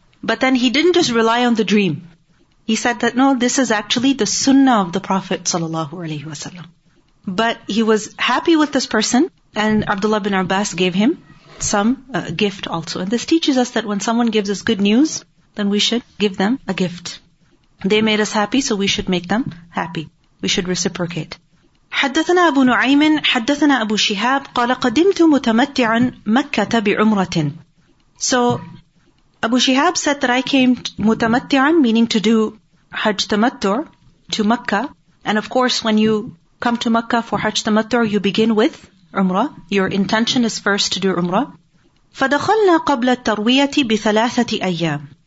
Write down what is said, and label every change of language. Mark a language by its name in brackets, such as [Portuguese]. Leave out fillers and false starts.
[English] But then he didn't just rely on the dream. He said that, no, this is actually the sunnah of the Prophet sallallahu alaihi wasallam. But he was happy with this person, and Abdullah ibn Abbas gave him some gift also. And this teaches us that when someone gives us good news, then we should give them a gift. They made us happy, so we should make them happy. We should reciprocate. [Arabic] حدثنا أبو نعيم حدثنا أبو شهاب قال قدمت متمتعا مكة بعمرة. [English] So Abu Shihab said that I came متمتعا, meaning to do Hajj Tamattu, to Mecca. And of course, when you come to Mecca for Hajj Tamattu, you begin with Umrah. Your intention is first to do Umrah. [Arabic] فدخلنا قبل الترويه بثلاثة أيام.